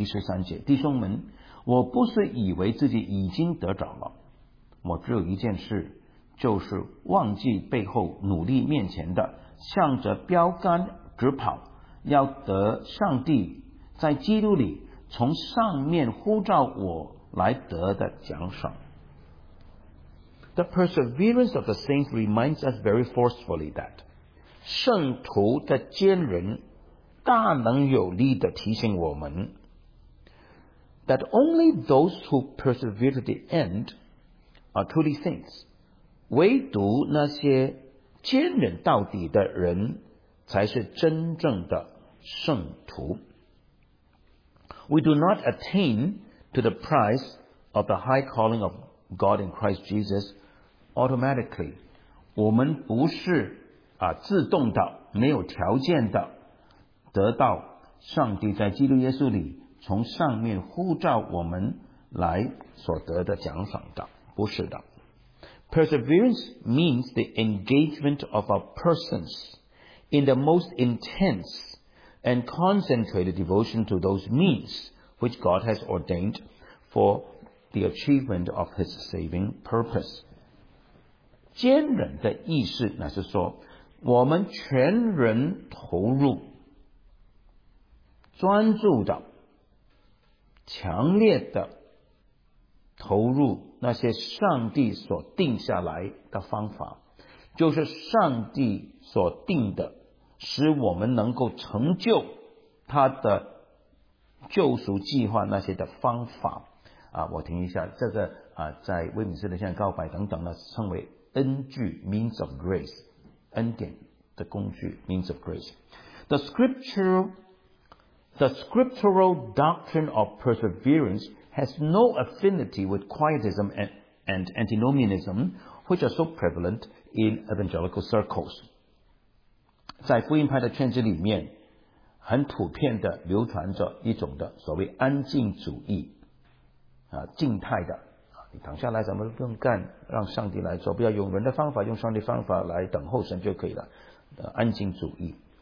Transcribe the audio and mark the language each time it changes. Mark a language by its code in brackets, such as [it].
[zh] 第十三节，弟兄们，我不是以为自己已经得着了，我只有一件事，就是忘记背后，努力面前的，向着标杆直跑，要得上帝在基督里从上面呼召我来得的奖赏。 [en] The perseverance of the saints reminds us very forcefully that [zh] 圣徒的坚韧大能有力地提醒我们 [en] that only those who persevere to the end are truly saints， [zh] 唯独那些坚韧到底的人才是真正的圣徒。 [en] We do not attain to the prize of the high calling of God in Christ Jesus automatically. [zh] 我们不是自动的，没有条件的得到上帝在基督耶稣里从上面呼召我们来所得的奖赏的，不是的。 [en] Perseverance means the engagement of our persons in the most intense and concentrated devotion to those means which God has ordained for the achievement of His saving purpose. [zh] 坚忍的意思乃是说，我们全人投入，专注的，强烈的投入那些上帝所定下来的方法，就是上帝所定的，使我们能够成就他的救赎计划那些的方法我停一下，这个在威敏斯的现在告白等等呢，称为恩具 [en] means of grace， [zh] 恩典的工具 means of grace。 [en] The scriptural doctrine of perseverance has no affinity with quietism and antinomianism, which are so prevalent in evangelical circles。 [zh] 在福音派的圈子里面，很普遍的流传着一种的所谓安静主义静态的，你躺下来什么都不用干，让上帝来做，不要用人的方法，用上帝方法来等候神就可以了安静主义。